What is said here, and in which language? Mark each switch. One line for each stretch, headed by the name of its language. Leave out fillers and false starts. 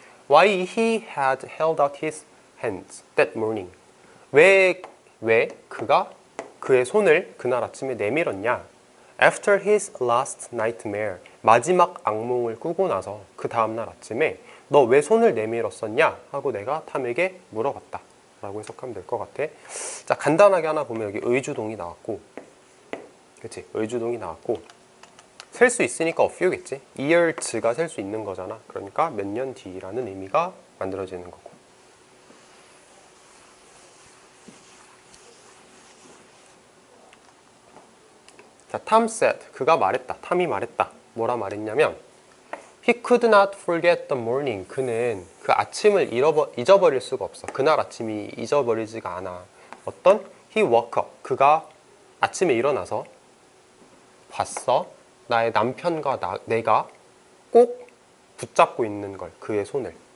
English: Why he had held out his hands that morning?
Korean: 왜 그가 그의 손을 그날 아침에 내밀었냐?
English: After his last nightmare.
Korean: 마지막 악몽을 꾸고 나서 그 다음날 아침에 너왜 손을 내밀었었냐? 하고 내가 탐에게 물어봤다. 라고 해석하면 될것 같아. 자, 간단하게 하나 보면 여기 의주동이 나왔고, 그치? 의주동이 나왔고, 셀수 있으니까 a few겠지? years가 셀수 있는 거잖아. 그러니까 몇년 뒤라는 의미가 만들어지는 거고. 자,
English: Tom said.
Korean: 그가 말했다. 탐이 말했다. 뭐라 말했냐면,
English: he could not forget the morning.
Korean: 그는 그 아침을 잊어버릴 수가 없어. 그날 아침이 잊어버리지가 않아. 어떤?
English: he woke up.
Korean: 그가 아침에 일어나서 봤어. 나의 남편과 내가 꼭 붙잡고 있는 걸. 그의 손을.